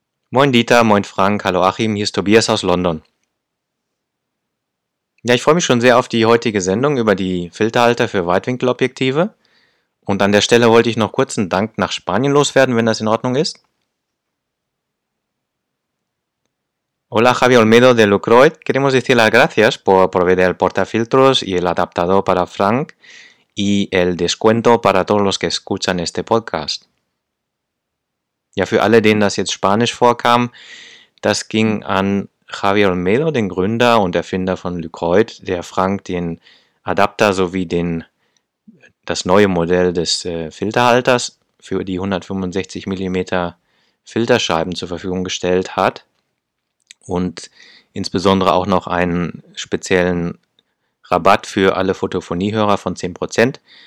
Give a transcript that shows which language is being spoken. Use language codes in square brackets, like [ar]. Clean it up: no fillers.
[de] Moin Dieter, moin Frank, hallo Achim, hier ist Tobias aus London. Ja, ich freue mich schon sehr auf die heutige Sendung über die Filterhalter für Weitwinkelobjektive. Und an der Stelle wollte ich noch kurz einen Dank nach Spanien loswerden, wenn das in Ordnung ist. [es] Hola Javi Olmedo de Lucroid, queremos decir las gracias por proveer el portafiltros y el adaptador para Frank y el descuento para todos los que escuchan este podcast. [de] Ja, für alle, denen das jetzt Spanisch vorkam, das ging an Javier Olmedo, den Gründer und Erfinder von Lucroid, der Frank den Adapter sowie das neue Modell des Filterhalters für die 165 mm Filterscheiben zur Verfügung gestellt hat und insbesondere auch noch einen speziellen Rabatt für alle Fotophoniehörer von 10%.